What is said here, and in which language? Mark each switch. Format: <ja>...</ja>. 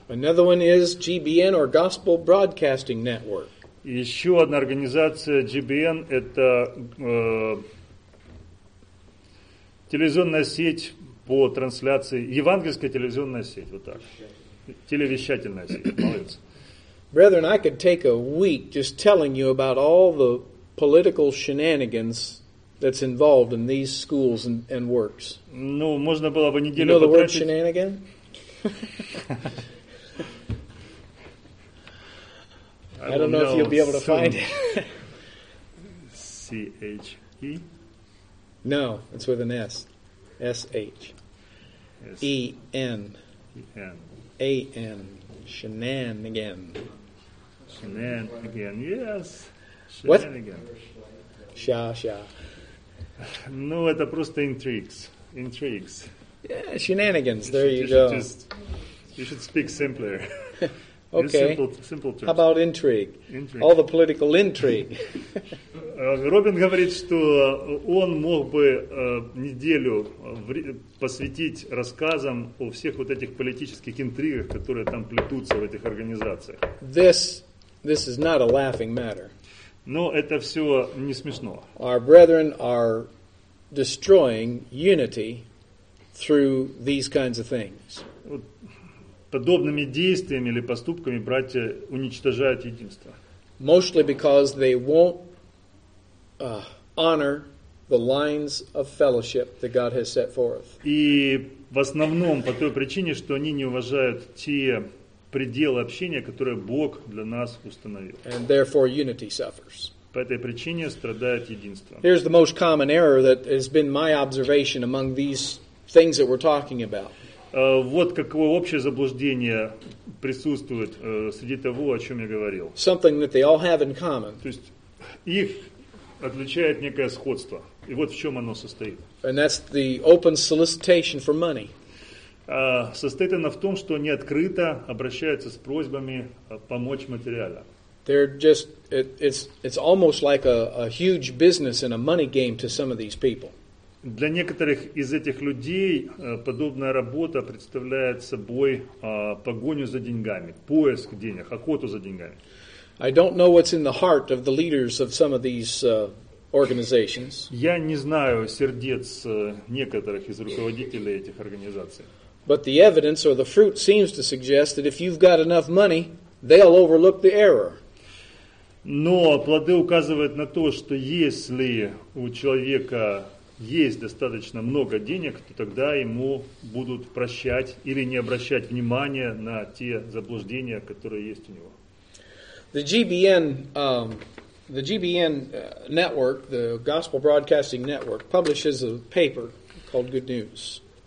<en>Another one is GBN or Gospel Broadcasting Network.</en> <ru>Еще одна организация GBN это телевизионная сеть по трансляции, евангельская телевизионная сеть, вот так. Телевещательная сеть.</ru> <en>Brethren, I could take a week just telling you about all the political shenanigans that's involved in these schools and works.</en> <ru>Ну, можно было бы неделю потратить.</ru> <en>You know the word shenanigan? I don't know if you'll be able to find it. C-H-E? No, it's with an S. S-H-E-N. E-N. A-N, shenanigan. Shenanigan, yes. Shenanigan. Sha-sha.</en> <ru>Ну, это просто intrigues.</ru> <en>Intrigues. Yeah, shenanigans, there you go. You should speak simpler. Okay. Simple terms. How about intrigue? Intrigue. All the political intrigue.</en> <ru>Робин говорит, что он мог бы неделю посвятить рассказам о всех вот этих политических интригах, которые там плетутся в этих организациях.</ru> <en>This is not a laughing matter.</en> <ru>Но это все не смешно.</ru> <en>Our brethren are destroying unity through these kinds of things.</en> <ru>Подобными действиями или поступками братья уничтожают единство.</ru> <en>Mostly because they won't honor the lines of fellowship that God has set forth.</en> <ru>И в основном по той причине, что они не уважают те пределы общения, которые Бог для нас установил.</ru> <en>And therefore unity suffers.</en> <ru>По этой причине страдает единство.</ru> <en>Here's the most common error that has been my observation among these things that we're talking about.</en> <ru>Вот какое общее заблуждение присутствует среди того, о чем я говорил.</ru> <en>Something that they all have in common.</en> <ru>То есть их отличает некое сходство. И вот в чем оно состоит.</ru> <en>And that's the open solicitation for money.</en> <ru>Состоит оно в том, что они открыто обращаются с просьбами помочь материально.</ru> <en>They're just it's almost like a huge business and a money game to some of these people.</en> <ru>Для некоторых из этих людей подобная работа представляет собой погоню за деньгами, поиск денег, охоту за деньгами.</ru> <en>I don't know what's in the heart of the leaders of some of these organizations.</en> <ru>Я не знаю сердец некоторых из руководителей этих организаций.</ru> <en>But the evidence or the fruit seems to suggest that if you've got enough money, they'll overlook the error.</en> <ru>Но плоды указывают на то, что если у человека есть достаточно много денег, то тогда ему будут прощать или не обращать внимания на те заблуждения, которые есть у него.</ru> <en>The GBN network, the Gospel Broadcasting Network, publishes a paper called Good News.</en>